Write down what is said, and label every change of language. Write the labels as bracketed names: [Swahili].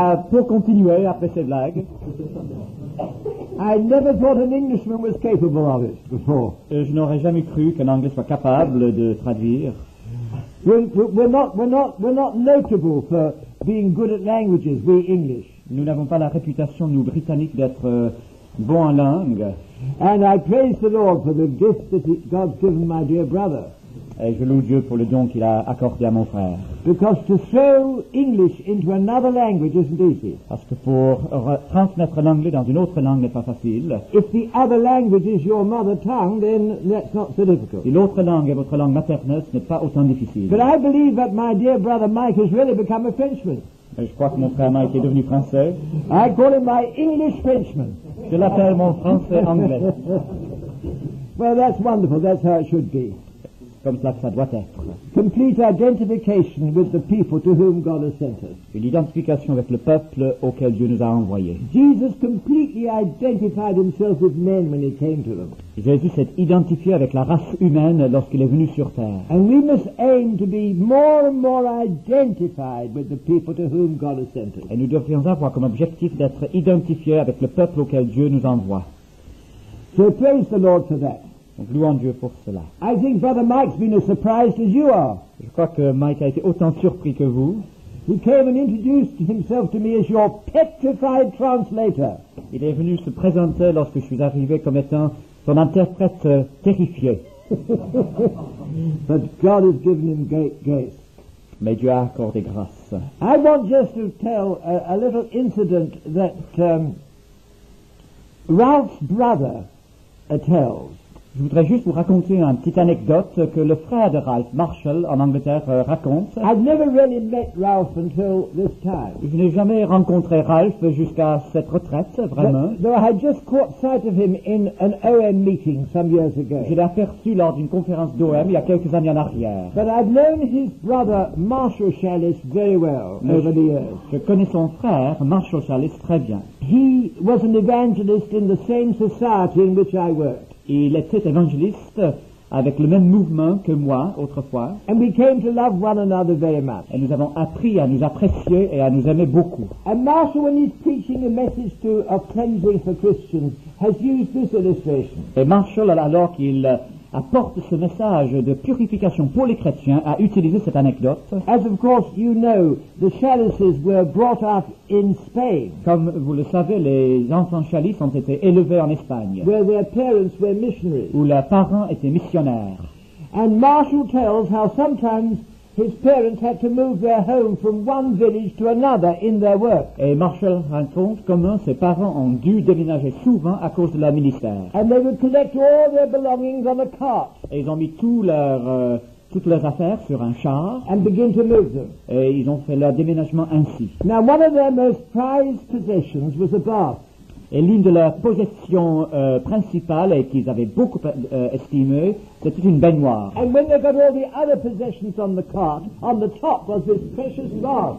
[French] Pour continuer après cette blague. [English] I never thought an Englishman was capable of it before. [French] Je n'aurais jamais cru qu'un Anglais soit capable de traduire. [English] We're not notable for being good at languages, we English. [French] Nous n'avons pas la réputation, nous Britanniques, d'être bons en langue. [English] And I praise the Lord for the gift that God's given my dear brother. [French] Et je loue Dieu pour le don qu'il a accordé à mon frère. [English] Because to throw English into another language isn't easy. [French] Parce que pour transmettre l'anglais dans une autre langue n'est pas facile. [English] If the other language is your mother tongue, then that's not so difficult. [French] Si l'autre langue est votre langue maternelle, ce n'est pas autant difficile. [English] But I believe that my dear brother Mike has really become a Frenchman. [French] Et je crois que mon frère Mike est devenu français. [English] I call him my English Frenchman. [French] Je l'appelle mon français anglais. [English] Well, that's wonderful. That's how it should be. [French] Comme cela que ça doit être. [English] Complete identification with the people to whom God has sent us. [French] Une identification avec le peuple auquel Dieu nous a envoyé. [English] Jesus completely identified himself with men when he came to them. [French] Jésus s'est identifié avec la race humaine lorsqu'il est venu sur terre. [English] And we must aim to be more and more identified with the people to whom God has sent us. [French] Et nous devrions avoir comme objectif d'être identifiés avec le peuple auquel Dieu nous envoie. [English] So praise the Lord for that. [French] Donc, louons Dieu pour cela. [English] I think Brother Mike's been as surprised as you are. [French] Je crois que Mike a été autant surpris que vous. [English] He came and introduced himself to me as your petrified translator. [French] Il est venu se présenter lorsque je suis arrivé comme étant son interprète terrifié. [English] But God has given him great grace. [French] Mais Dieu a accordé grâce. [English] I want just to tell a little incident that Ralph's brother tells. [French] Je voudrais juste vous raconter une petite anecdote que le frère de Ralph, Marshall, en Angleterre, raconte. [English] I've never really met Ralph until this time. [French] Je n'ai jamais rencontré Ralph jusqu'à cette retraite, vraiment. [English] But, I had just caught sight of him in an OM meeting some years ago. [French] Je l'ai aperçu lors d'une conférence d'OM il y a quelques années en arrière. [English] But I've known his brother, Marshall Challis, very well over the years. [French] Je connais son frère, Marshall Challis, très bien. [English] He was an evangelist in the same society in which I worked. [French] Il était évangéliste avec le même mouvement que moi autrefois. [English] And we came to love one another very much. [French] Et nous avons appris à nous apprécier et à nous aimer beaucoup. [English] And Marshall, when he's preaching a message to a cleansing for Christians, has used this illustration. [French] Et Marshall, alors qu'il apporte ce message de purification pour les chrétiens, a utilisé cette anecdote. [English] As of course you know, the Challises were brought up in Spain. [French] Comme vous le savez, les enfants Challis ont été élevés en Espagne. [English] Where their parents were missionaries. [French] Où leurs parents étaient missionnaires. [English] And Marshall tells how sometimes his parents had to move their home from one village to another in their work. [French] Et Marshall raconte comment ses parents ont dû déménager souvent à cause de leur ministère. [English] And they would collect all their belongings on a cart. [French] Et ils ont mis toutes leurs affaires sur un char. [English] And begin to move them. [French] Et ils ont fait leur déménagement ainsi. [English] Now one of their most prized possessions was a bath. [French] Et l'une de leurs possessions principales et qu'ils avaient beaucoup estimé, c'était une baignoire. [English] And when they got all the other possessions on the cart, on the top was this precious bath.